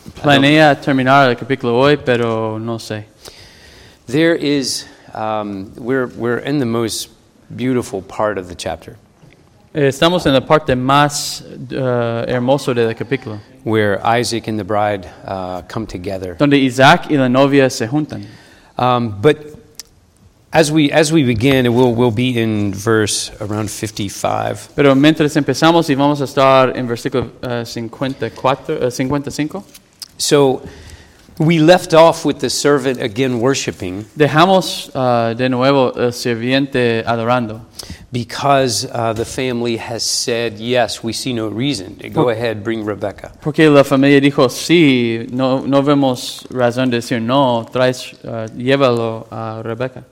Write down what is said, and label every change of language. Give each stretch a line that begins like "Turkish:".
Spanish: Planea terminar el capítulo hoy, pero no sé.
English: There is... we're in the most beautiful part of the chapter.
Spanish: Estamos en la parte más hermoso del capítulo.
English: Where Isaac and the bride come together.
Spanish: Donde Isaac y la novia se juntan.
English: But as we begin, we'll be in verse around 55.
Spanish: Pero mientras empezamos y vamos a estar en versículo 55.
English: So we left off with the servant again worshiping.
Spanish: Dejamos de nuevo el sirviente adorando.
English: Because the family has said, yes, we see no reason. Go ahead, bring Rebecca.
Spanish: Porque la familia dijo, sí, no vemos razón de decir no, traes, llévalo a Rebecca.